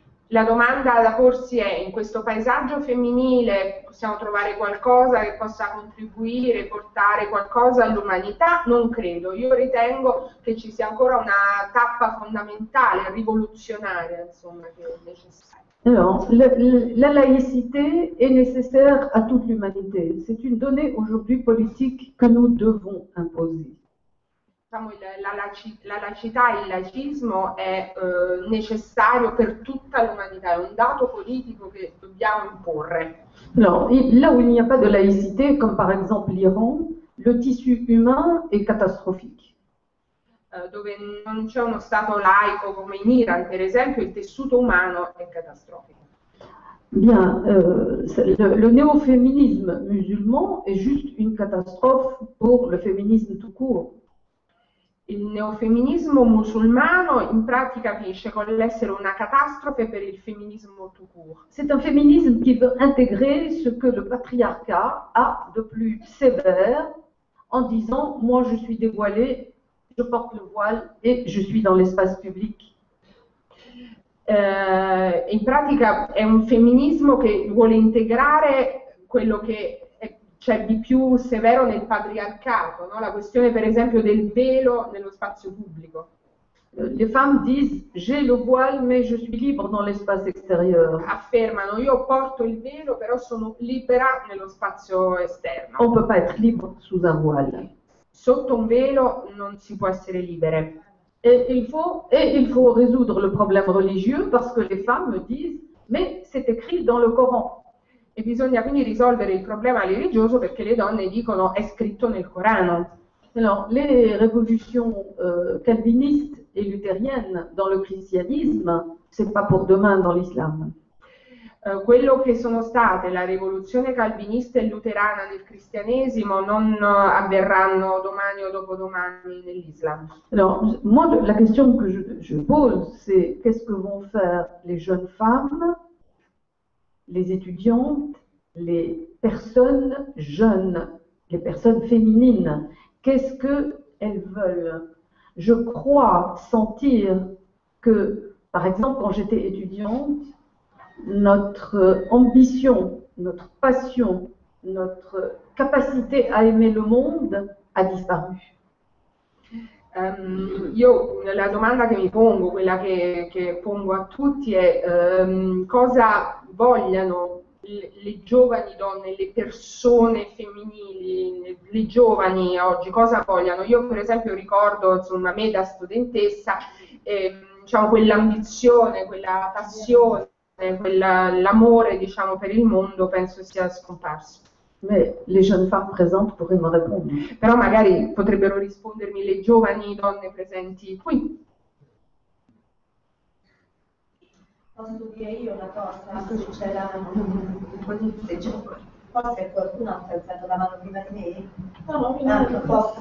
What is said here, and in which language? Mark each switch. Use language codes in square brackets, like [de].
[it] La domanda da porsi è, in questo paesaggio femminile possiamo trovare qualcosa che possa contribuire, portare qualcosa all'umanità? Non credo, io ritengo che ci sia ancora una tappa fondamentale, rivoluzionaria, insomma, che è necessaria. [fr] Alors, la laïcité est nécessaire à toute l'humanité. C'est une donnée aujourd'hui politique que nous devons imposer. [it] La laïcità e il laïcismo è necessario per tutta l'umanità, è un dato politico che dobbiamo imporre. [fr] Alors, là où il n'y a pas de laïcité, comme par exemple l'Iran, le tissu humain est catastrophique. [it] Dove non c'è uno stato laico come in Iran, per esempio, il tessuto umano è catastrofico. [fr] Bien, le néo-féminisme musulman est juste une catastrophe pour le féminisme tout court. [it] Il neofemminismo musulmano in pratica finisce con l'essere una catastrofe per il femminismo tout court. [fr] C'est un féminisme qui veut intégrer ce que le patriarcat a de plus sévère en disant: moi je suis dévoilée, je porte le voile et je suis dans l'espace public. [it] In pratica è un femminismo che vuole integrare quello che c'è di più severo nel patriarcato, no? La questione per esempio del velo nello spazio pubblico. [fr] Les femmes disent: j'ai le voile, mais je suis libre dans l'espace extérieur. [it] Affermano, io porto il velo, però sono libera nello spazio esterno. [fr] On ne peut pas être libre sous un voile. [it] Sotto un velo non si può essere libere. [fr] Et il faut résoudre le problème religieux parce que les femmes disent: mais c'est écrit dans le Coran. [it] E bisogna quindi risolvere il problema religioso perché le donne dicono è scritto nel Corano. [fr] Alors, les révolutions calvinistes et luthériennes dans le christianisme, ce n'est pas pour demain dans l'islam. [it] Quello che sono state la rivoluzione calvinista e luterana nel cristianesimo non avverranno domani o dopodomani nell'islam. [fr] Alors, moi, la question que je pose, c'est qu'est-ce que vont faire les jeunes femmes, les étudiantes, les personnes jeunes, les personnes féminines? Qu'est-ce qu'elles veulent? Je crois sentir que, par exemple, quand j'étais étudiante, notre ambition, notre passion, notre capacité à aimer le monde a disparu. [it] Io la domanda che mi pongo, quella che pongo a tutti è cosa vogliono le giovani donne, le persone femminili, le giovani oggi, cosa vogliono? Io per esempio ricordo, insomma, me da studentessa, diciamo, quell'ambizione, quella passione, l'amore, diciamo, per il mondo penso sia scomparso. [fr] Mais les jeunes femmes présentes pourraient me répondre. [it] Però magari potrebbero rispondermi le giovani donne presenti qui. Posso dire io una cosa? Forse qualcuno ha alzato la mano prima di me? No, no, mi manca. Posso?